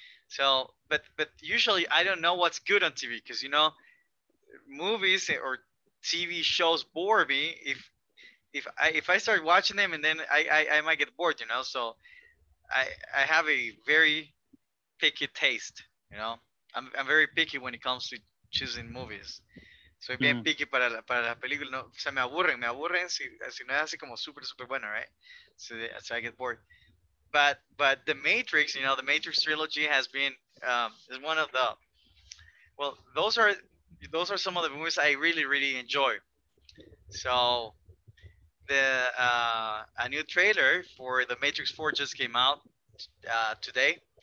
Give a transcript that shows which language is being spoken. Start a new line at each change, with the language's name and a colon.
English: So, but usually I don't know what's good on TV because, you know, movies or TV shows bore me if I start watching them and then I might get bored, you know. So I have a very picky taste, you know. I'm very picky when it comes to choosing movies.
Spanish: So bien picky para la película, no, o sea, me aburren si no es así como super super bueno, right?
English: So I get bored. But The Matrix, you know, The Matrix trilogy has been is one of the, well, those are some of the movies I really, really enjoy. So the a new trailer for the Matrix 4 just came out today.